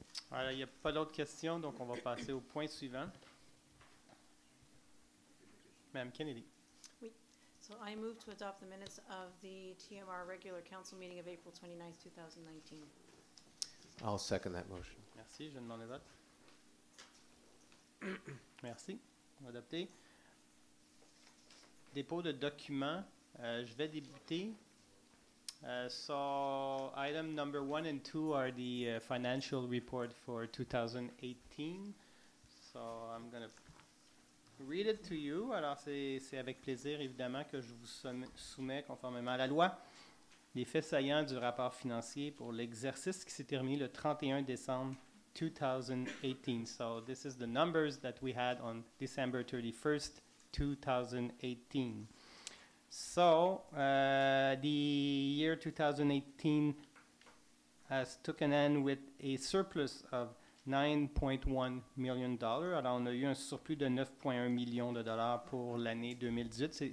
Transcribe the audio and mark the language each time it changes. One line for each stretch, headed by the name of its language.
French: Alors, il n'y a pas d'autres questions, donc on va passer au point suivant. Madame Kennedy. Oui.
English: So I move to adopt the minutes of the TMR regular council meeting of April 29th, 2019. I'll second that motion.
French: Merci. Je demande le vote. Merci. Adopté. Dépôt de documents. Je vais débuter.
English: So item number 1 and 2 are the financial report for 2018. So I'm going to read it to you.
French: Alors, c'est avec plaisir, évidemment, que je vous soumets conformément à la loi les faits saillants du rapport financier pour l'exercice qui s'est terminé le 31 décembre 2018.
English: So, this is the numbers that we had on December 31st, 2018. So, the year 2018 has took an end with a surplus of $9.1 million.
French: Alors, on a eu un surplus de $9.1 million pour l'année 2018.